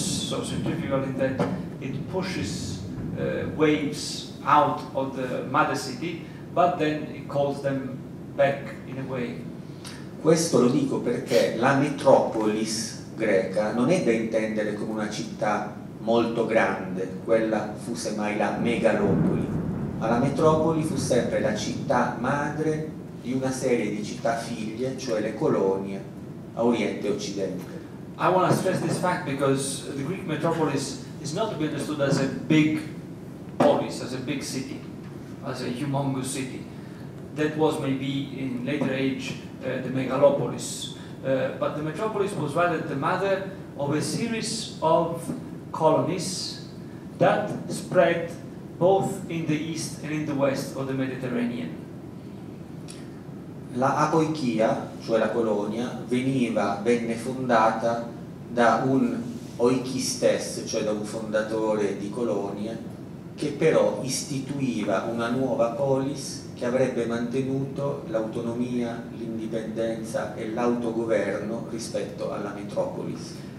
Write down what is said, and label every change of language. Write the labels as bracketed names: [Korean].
[English] So centrifugal in that it pushes waves out of the mother city, but then it calls them back in a way. [Italian] Questo lo dico perché la metropolis greca non è da intendere come una città molto grande, quella fu semmai la megalopoli, ma la metropoli fu sempre la città madre di una serie di città figlie, cioè le colonie a oriente e occidente. [English] I want to stress this fact because the Greek metropolis is not to be understood as a big polis, as a big city, as a humongous city. That was maybe in later age the megalopolis. But the metropolis was rather the mother of a series of colonies that spread both in the east and in the west of the Mediterranean. [Italian] La apoikia, cioè la colonia, venne fondata da un oikistes, cioè da un fondatore di colonie, che però istituiva una nuova polis che avrebbe mantenuto l'autonomia, l'indipendenza e l'autogoverno rispetto alla metropolis.